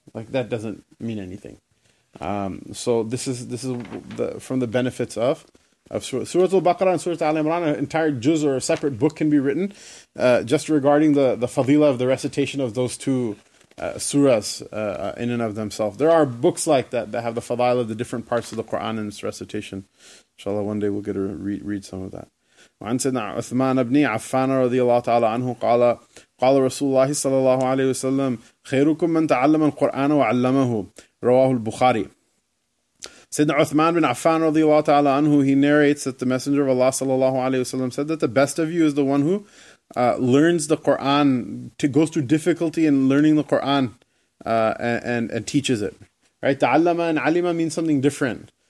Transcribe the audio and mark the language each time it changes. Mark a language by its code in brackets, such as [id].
[en] Like, that doesn't mean anything. So this is from the benefits of Surah Al-Baqarah and Surah Al-Imran, an entire juz or a separate book can be written just regarding the fadila of the recitation of those two surahs in and of themselves. There are books like that have the fadila of the different parts of the Qur'an and its recitation. Inshallah, one day we'll get to read some of that. [ar] وعن سيدنا عثمان بن عفان رضي الله تعالى عنه قال رسول الله صلى الله عليه وسلم خيركم من تعلم القرآن وعلمه رواه البخاري. [en] Sayyidina Uthman bin Affan radiallahu ta'ala anhu, he narrates that the Messenger of Allah sallallahu alayhi wa sallam said that the best of you is the one who learns the Qur'an, goes through difficulty in learning the Qur'an and teaches it. Right? Ta'allama and alima means something different.